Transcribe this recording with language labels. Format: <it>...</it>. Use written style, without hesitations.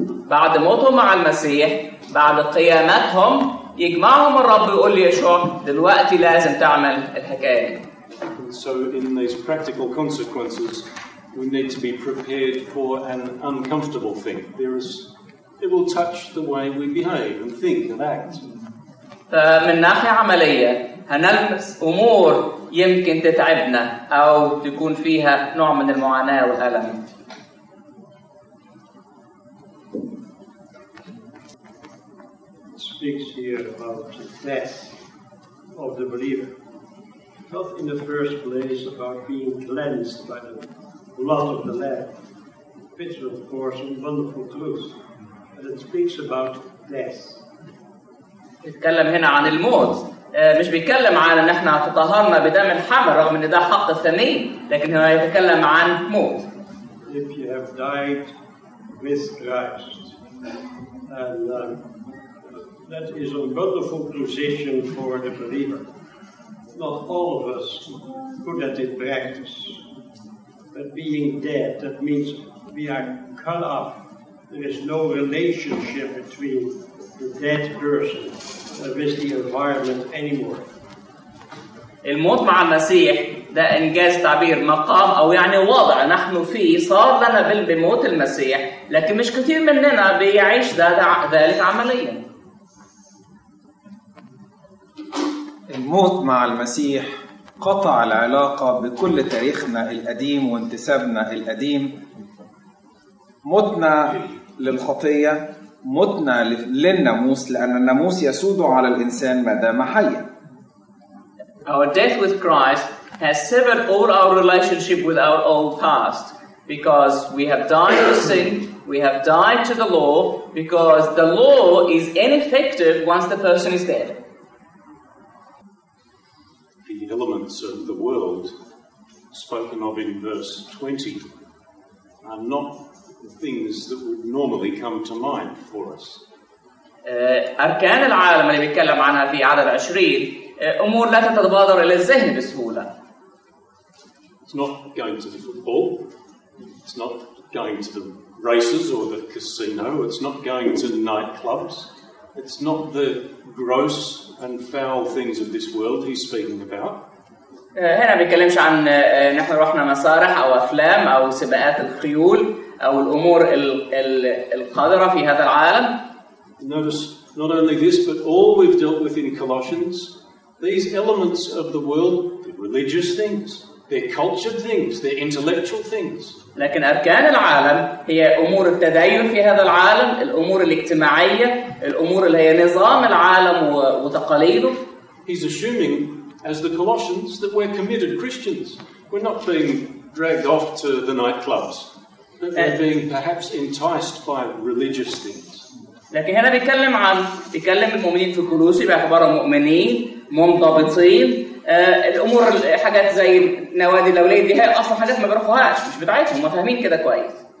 <ar>بعد موتهم مع المسيح، بعد قيامتهم، يجمعهم الرب يقول ليشوع، دلوقتي لازم تعمل الحكاية.</ar> <en>So in these practical consequences, we need to be prepared for an uncomfortable thing. It will touch the way we behave and think and act.</en> <ar>من ناحية عملية هنلمس أمور يمكن تتعبنا أو تكون فيها نوع من المعاناة والألم.</ar> <en>Speaks here about the death of the believer. Not in the first place about being cleansed by the blood of the Lamb. A picture, of course, a wonderful truth. But it speaks about death.</en> <ar>يتكلم هنا عن الموت مش بيتكلم عن ان احنا تطهرنا بدم الحمل رغم ان ده حق ثمين لكن هو يتكلم عن موت.</ar> <en>If you have died with Christ and that is a wonderful position for the believer. Not all of us put that in practice. But being dead, that means we are cut off. There is no relationship between the dead person with the environment anymore.</en> <ar>الموت مع المسيح ده إنجاز تعبير مقام أو يعني وضع نحن فيه صار لنا بموت المسيح لكن مش كثير مننا بيعيش ذلك عمليا. الموت مع المسيح قطع العلاقة بكل تاريخنا القديم وانتسابنا القديم. متنا للخطية، متنا للناموس لأن الناموس يسود على الإنسان ما دام حيا.</ar> <en>Our death with Christ has severed all our relationship with our old past because we have died to sin, we have died to the law because the law is ineffective once the person is dead. He elements of the world spoken of in verse 20 are not the things that would normally come to mind for us.</en> <ar>أركان العالم اللي بيتكلم عنها في عدد 20 أمور لا تتبادر إلى الذهن بسهولة.</ar> <en>It's not going to the football. It's not going to the races or the casino. It's not going to the nightclubs. It's not the gross and foul things of this world he's speaking about.</en> <ar>هنا بيتكلمش عن نحن رحنا مسارح أو أفلام أو سباقات الخيول أو الأمور القذرة في هذا العالم.</ar> <en>Notice not only this, but all we've dealt with in Colossians, these elements of the world, the religious things, their cultured things, their intellectual things.</en> <ar>لكن أركان العالم هي أمور التدين في هذا العالم, الأمور الاجتماعية, الأمور اللي هي نظام العالم وتقاليده.</ar> <en>He's assuming, as the Colossians, that we're committed Christians. We're not being dragged off to the nightclubs, but we're being perhaps enticed by religious things.</en> <ar>لكن هنا بيتكلم عن بيتكلم المؤمنين في كولوسي بيعتبرهم مؤمنين منضبطين الامور حاجات زي نوادي الاولاد دي هي اصلا حاجات ما بيروحوهاش مش بتاعتهم ما فاهمين كده كويس.</ar>